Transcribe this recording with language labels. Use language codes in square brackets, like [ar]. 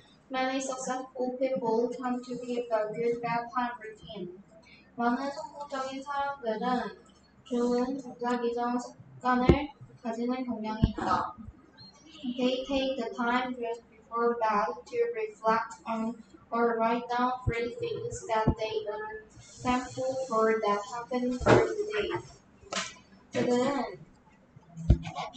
[en] Many successful people tend to keep a good bedtime routine. [ko] 많은 성공적인 사람들은 좋은 잠자기 전 습관을 가지는 경향이 있다. [en] They take the time just before bed to reflect on or write down three things that they are thankful for that happened for the day.